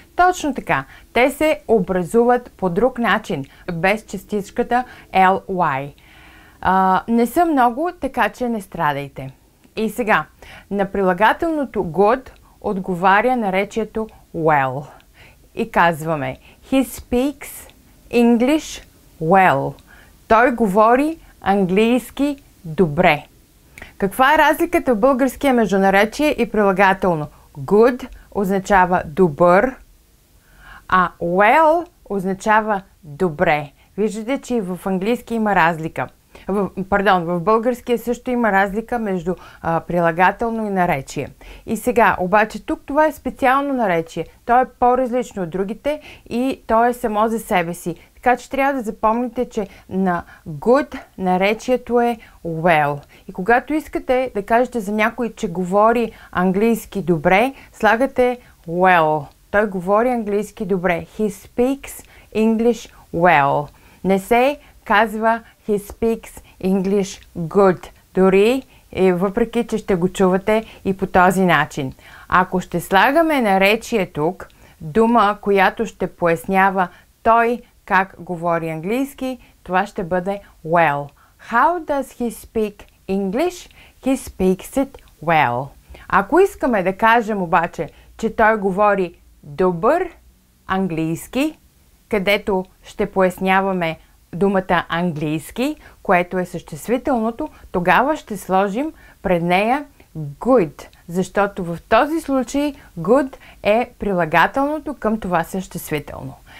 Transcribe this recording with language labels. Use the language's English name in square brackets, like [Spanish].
[Bulgarian] Точно така, те се образуват по друг начин, без частичката ly. Не са много, така че не страдайте. И сега, на прилагателното good отговаря наречието well. И казваме [English] He speaks English well. [Bulgarian] Той говори английски добре. Каква е разликата в българския между наречие и прилагателно? Good означава добър, а well означава добре. Виждате, че и в английски има разлика. В българския също има разлика между прилагателно и наречие. И сега, обаче тук това е специално наречие. То е по-различно от другите и то е само за себе си. Така че трябва да запомните, че на good наречието е well. И когато искате да кажете за някой, че говори английски добре, слагате well. Той говори английски добре. [English] He speaks English well. [Bulgarian] Не се казва [English] He speaks English good. [Bulgarian] Дори и въпреки, че ще го чувате и по този начин. Ако ще слагаме наречие тук, дума, която ще пояснява той как говори английски, това ще бъде well. [English] How does he speak English? He speaks it well. [Bulgarian] Ако искаме да кажем обаче, че той говори добър английски, където ще поясняваме думата английски, което е съществителното, тогава ще сложим пред нея good, защото в този случай good е прилагателното към това съществително.